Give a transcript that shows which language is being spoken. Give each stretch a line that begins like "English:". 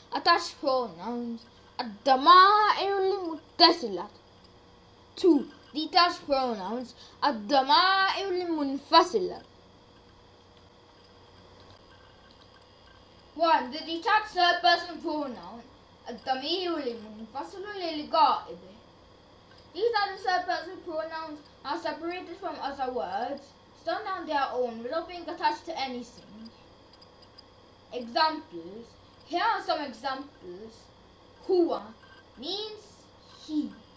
English: Attached pronouns.
Arabic: الضمائر المتصلة.
English: 2. Detached pronouns.
Arabic: الضمائر المنفصلة. 1.
English: The detached third person pronoun.
Arabic: الضمائر المنفصلة للغائب.
English: These are the third person pronouns are separated from other words, stand on their own without being attached to anything. Examples. Here are some examples. Huwa means he.